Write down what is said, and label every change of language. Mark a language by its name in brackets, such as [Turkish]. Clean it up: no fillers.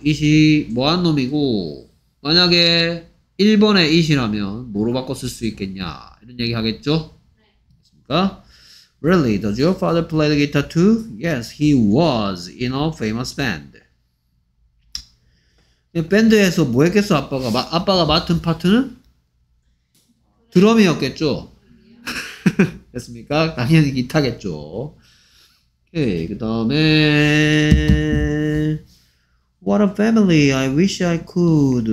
[Korean] It이 뭐한 놈이고 만약에 1번에 it이라면 뭐로 바꿔 쓸 수 있겠냐 이런 얘기 하겠죠? 됐습니까? [English] Really, does your father play the guitar too? Yes, he was in a famous band. [Korean] 밴드에서 뭐 했겠어 아빠가? 아빠가 맡은 파트는? 드럼이었겠죠? 됐습니까? 당연히 기타겠죠. 오케이, 그 다음에 [English] What a family, I wish I could.